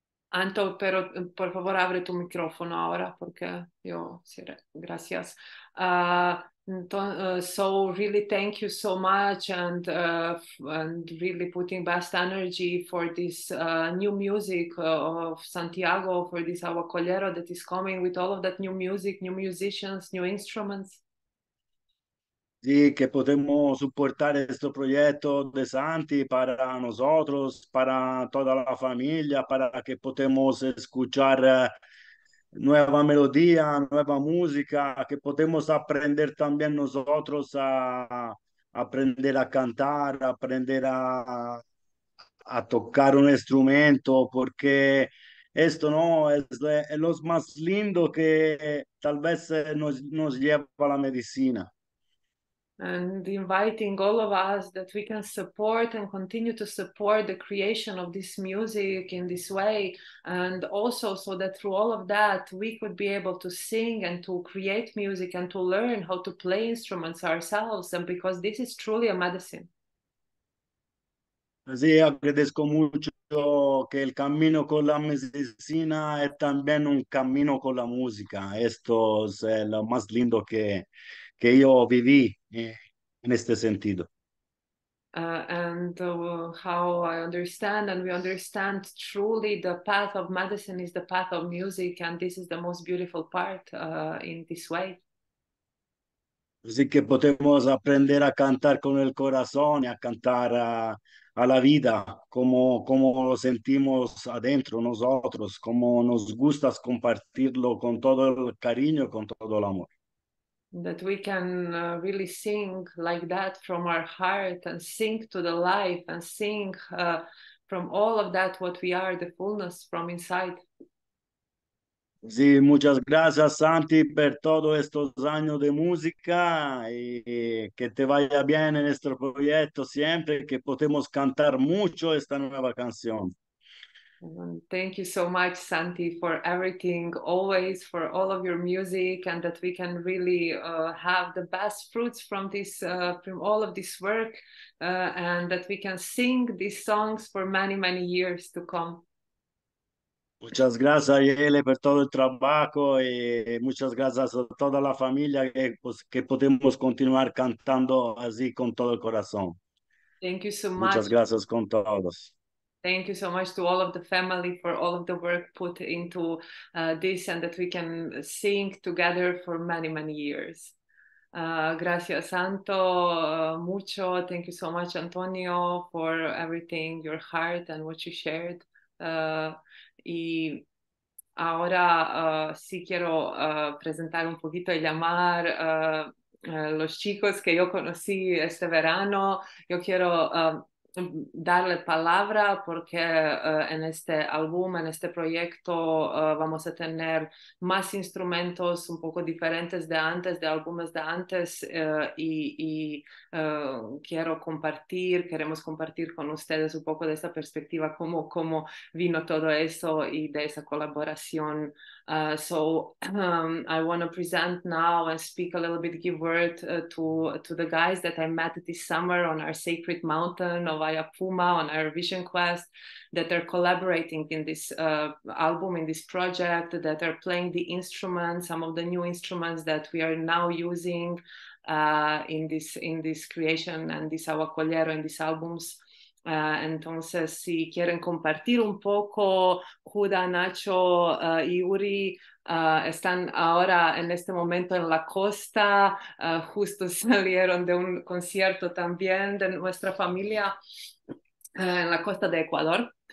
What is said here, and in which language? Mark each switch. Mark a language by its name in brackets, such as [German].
[Spanish] Anto, pero por favor abre tu microfono ahora porque yo gracias. [English] So really thank you so much and really putting best energy for this new music of Santiago, for this Awakollero that is coming with all of that new music, new musicians, new instruments. [Spanish] Sí, que podemos soportar este proyecto de Santi para nosotros, para toda la familia, para que podamos escuchar nueva melodía, nueva música, que podamos aprender también nosotros a aprender a cantar, aprender a tocar un instrumento, porque esto no es lo más lindo que tal vez nos lleva la medicina. [English] And inviting all of us that we can support and continue to support the creation of this music in this way. And also so that through all of that, we could be able to sing and to create music and to learn how to play instruments ourselves. And because this is truly a medicine. [Spanish] Sí, agradezco mucho que el camino con la medicina es también un camino con la música. Esto es lo más lindo que yo viví en este sentido. [English] How I understand and we understand truly the path of medicine is the path of music and this is the most beautiful part in this way. [Spanish] Así que podemos aprender a cantar con el corazón y a cantar a la vida como lo sentimos adentro nosotros, como nos gusta compartirlo con todo el cariño, con todo el amor. [English] That we can really sing like that from our heart and sing to the life and sing from all of that what we are, the fullness from inside. [Spanish] Sí, muchas gracias, Santi, por todos estos años de música y que te vaya bien en este proyecto siempre, que podemos cantar mucho esta nueva canción. [English] Thank you so much, Santi, for everything, always, for all of your music, and that we can really have the best fruits from this, from all of this work, and that we can sing these songs for many, many years to come. [Spanish] Muchas gracias, Ariele, por todo el trabajo, y muchas gracias a toda la familia que podemos continuar cantando así con todo el corazón. [English] Thank you so much. [Spanish] Muchas gracias con todos. [English] Thank you so much to all of the family for all of the work put into this, and that we can sing together for many, many years. [Spanish] Gracias, Santo, mucho. [English] Thank you so much, Antonio, for everything, your heart and what you shared. [Spanish] Y ahora sí quiero presentar un poquito y llamar los chicos que yo conocí este verano. Yo quiero darle palabra porque en este álbum, en este proyecto, vamos a tener más instrumentos un poco diferentes de antes, de álbumes de antes, quiero compartir, queremos compartir con ustedes un poco de esa perspectiva, cómo vino todo eso y de esa colaboración. I want to present now and speak a little bit, give word to the guys that I met this summer on our sacred mountain of Ayapuma, on our vision quest, that are collaborating in this album, in this project, that are playing the instruments, some of the new instruments that we are now using in this creation and this Awakollero in these albums. Entonces, si quieren compartir un poco, Juda, Nacho y Uri están ahora en este momento en la costa, justo salieron de un concierto también de nuestra familia en la costa de Ecuador.